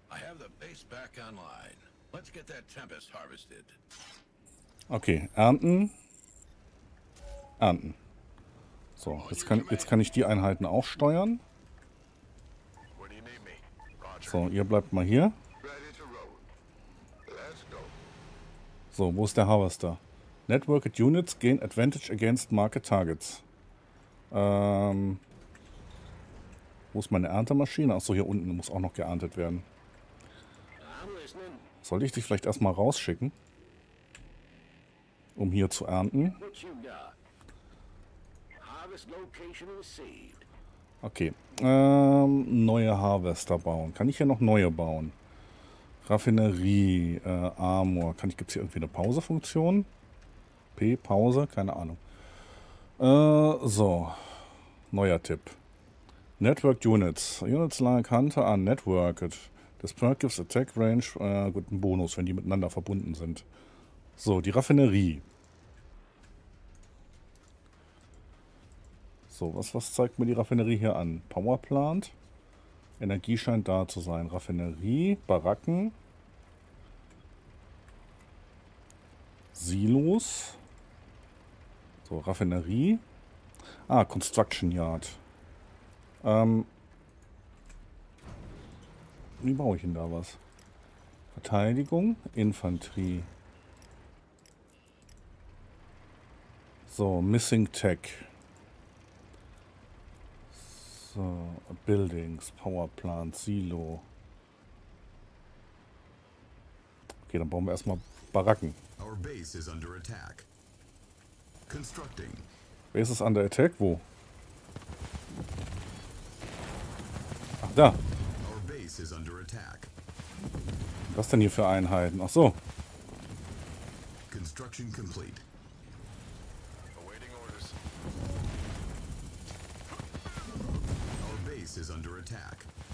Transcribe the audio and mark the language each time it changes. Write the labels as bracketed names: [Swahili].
[English] I have the base back online. Let's get that Tempest harvested. [German] Okay, ernten. Ernten. So, jetzt kann ich die Einheiten auch steuern. So, ihr bleibt mal hier. So, wo ist der Harvester? [English] Networked Units gain advantage against market targets. [German] Wo ist meine Erntemaschine? Achso, hier unten muss auch noch geerntet werden. Sollte ich dich vielleicht erstmal rausschicken? Um hier zu ernten. Okay. Neue Harvester bauen. Kann ich hier noch neue bauen? Raffinerie, Armor. Gibt es hier irgendwie eine Pausefunktion? P, Pause, keine Ahnung. So. Neuer Tipp. [English] Networked Units. Units like Hunter are networked. This perk gives attack range. [German] Gut, ein Bonus, wenn die miteinander verbunden sind. So, die Raffinerie. So, was zeigt mir die Raffinerie hier an? Power Plant. Energie scheint da zu sein. Raffinerie, Baracken. Silos. So, Raffinerie. Ah, Construction Yard. Wie baue ich denn da was? Verteidigung, Infanterie. [English] So, Missing Tech. So, Buildings, Power Plant, Silo. [German] Okay, dann bauen wir erstmal Baracken. [English] Our base is under attack. Constructing. Base is under attack, [German] wo? Ach, da. [English] Our base is under attack. [German] Was denn hier für Einheiten? Ach so. [English] Construction complete. Is under attack.